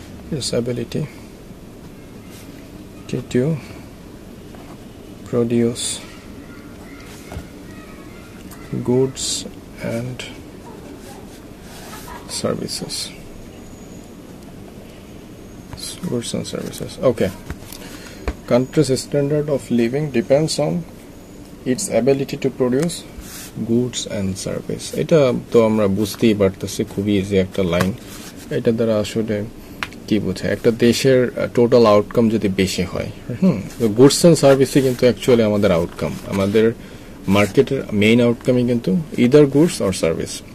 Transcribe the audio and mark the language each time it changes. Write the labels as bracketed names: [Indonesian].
[English] Disability to produce goods and services, goods and services, okay. Country's standard of living depends on its ability to produce goods and service. [Bangla] এটা তো আমরা বুঝতেই পারতেছি খুবই easy একটা line, এটা দ্বারা আসলে কি বোঝায়, একটা দেশের টোটাল আউটকাম যদি বেশি হয়, গুডস অ্যান্ড সার্ভিসই কিন্তু অ্যাকচুয়ালি আমাদের আউটকাম, আমাদের মার্কেটের মেইন আউটকামই কিন্তু [English] Either goods or service.